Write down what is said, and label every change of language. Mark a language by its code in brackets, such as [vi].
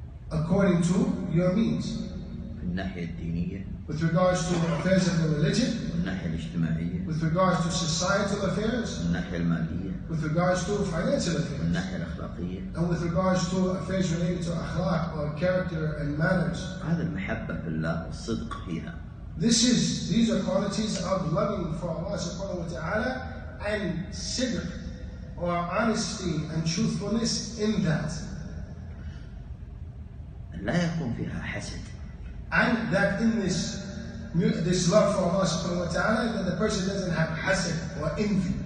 [en] According to your means. [ar] في الناحية الدينية. [en] With regards to the affairs of the religion. [ar] من الناحية الاجتماعية. [en] With regards to societal affairs. [ar] من الناحية المالية. [en] With regards to financial affairs. [ar] من الناحية الأخلاقية. [en] And with regards to affairs related to akhlaq or character and manners. [ar] هذا المحبة في الله والصدق فيها. [en] These are qualities of loving for Allah subhanahu wa ta'ala and sidq or honesty and truthfulness in that. [ar] لا يكون فيها حسد. [en] And that in this love for Allah subhanahu wa ta'ala, that the person doesn't have hasad or envy.